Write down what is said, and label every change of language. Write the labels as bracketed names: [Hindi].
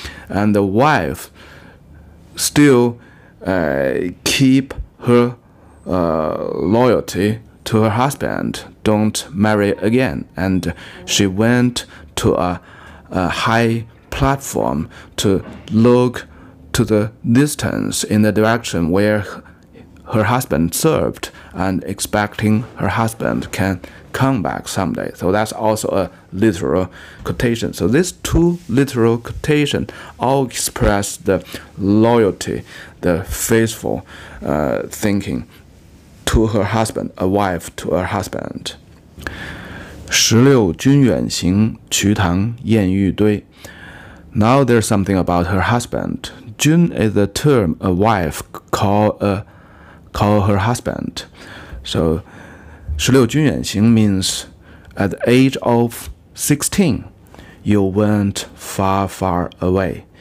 [English] And the wife still keep her loyalty to her husband, don't marry again, and she went to a high platform to look to the distance in the direction where her husband served, and expecting her husband can come back someday. So that's also a literal quotation. So these two literal quotations all express the loyalty, the faithful thinking to her husband, a wife to her husband. [Chinese] 十六君远行，瞿塘滟堵堆。 [English] Now there's something about her husband. Jun is the term a wife call her husband. So [Chinese] 十六君远行 [English] means at the age of 16, you went far, far away.